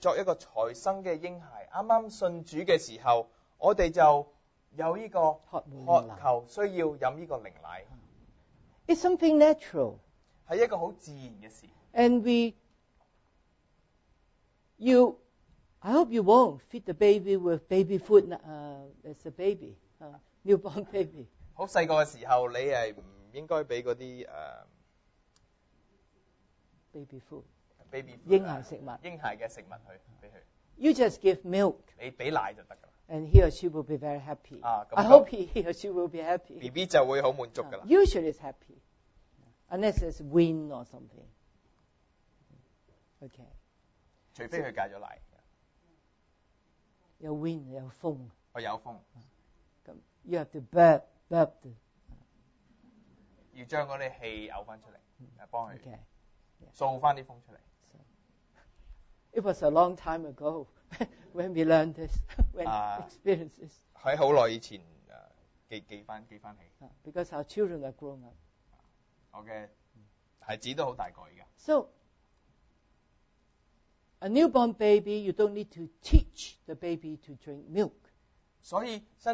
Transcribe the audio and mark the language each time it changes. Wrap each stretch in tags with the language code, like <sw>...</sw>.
<zh>当圣经说我们作一个才生的婴孩，刚刚信主的时候， 我们就有这个渴求，需要喝这个灵奶。</zh> <en>It's something natural.</en> <zh>是一个很自然的事。</zh> <en>And I hope you won't feed the baby with baby food as a baby, newborn baby.</en> <zh>很小的时候你不应该给那些</zh> <en>baby food. Baby food.</en> <zh>婴孩食物。婴孩的食物去, 给他。</zh> <en>You just give milk.</en> <zh>你给奶就可以了。</zh> <en>And he or she will be very happy. 啊, I hope he or she will be happy.</en> <zh>BB 就会很满足的了。</zh> <en>Usually it's happy. Unless it's wind or something. Okay.</en> <zh>除非他戒了奶。有 wind, 有风。有风。</zh> <en>You have to burp.</en> <zh>要将那些气呕出来, 帮他扫风出来。</zh> <en>It was a long time ago when we learned this, when we experienced this.</en> <zh>在很久以前, 记起。</zh> <en>Because our children are grown up.</en> <zh>我的孩子都很大个。</zh> <en>So, a newborn baby, you don't need to teach the baby to drink milk.</en>